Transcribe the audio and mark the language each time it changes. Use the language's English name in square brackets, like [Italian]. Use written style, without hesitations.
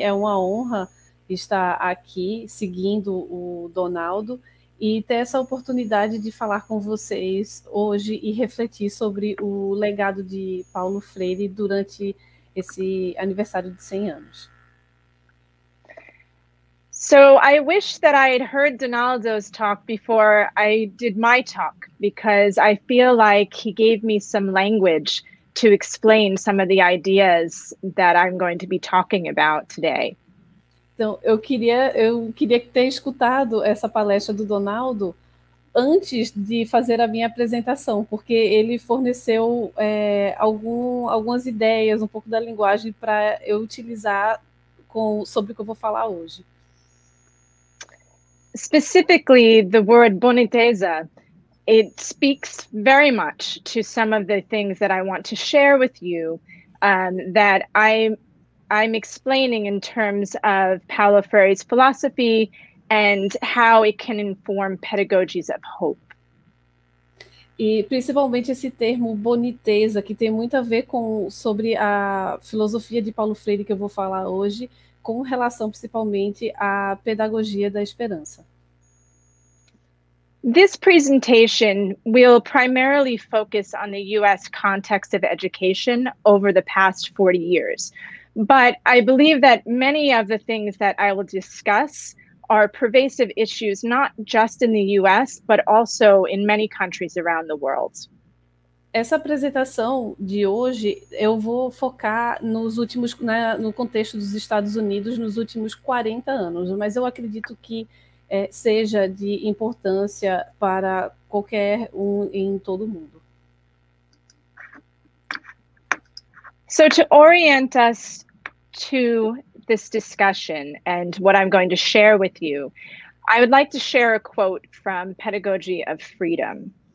[Portuguese] É uma honra estar aqui seguindo o Donaldo e ter essa oportunidade de falar com vocês hoje e refletir sobre o legado de Paulo Freire durante esse aniversário de 100 anos. [English] So I wish that I had heard Donaldo's talk before I did my talk, because I feel like he gave me some language to explain some of the ideas that I'm going to be talking about today. [Portuguese] Então, eu queria ter escutado essa palestra do Donaldo antes de fazer a minha apresentação, porque ele forneceu algumas ideias, um pouco da linguagem para eu utilizar sobre o que eu vou falar hoje. [English] Specifically, the word boniteza, it speaks very much to some of the things that I want to share with you, that I'm explaining in terms of Paulo Freire's philosophy and how it can inform pedagogies of hope. [Portuguese] E principalmente esse termo boniteza, que tem muito a ver sobre a filosofia de Paulo Freire que eu vou falar hoje, com relação principalmente à pedagogia da esperança. [English] This presentation will primarily focus on the U.S. context of education over the past 40 years. But I believe that many of the things that I will discuss are pervasive issues, not just in the U.S., but also in many countries around the world. [Portuguese] Essa apresentação de hoje, eu vou focar no contexto dos Estados Unidos nos últimos 40 anos, mas eu acredito que seja de importância para qualquer um em todo mundo. [English] So to orient us to this discussion and what I'm going to share with you, I would like to share a quote from Pedagogy of Freedom.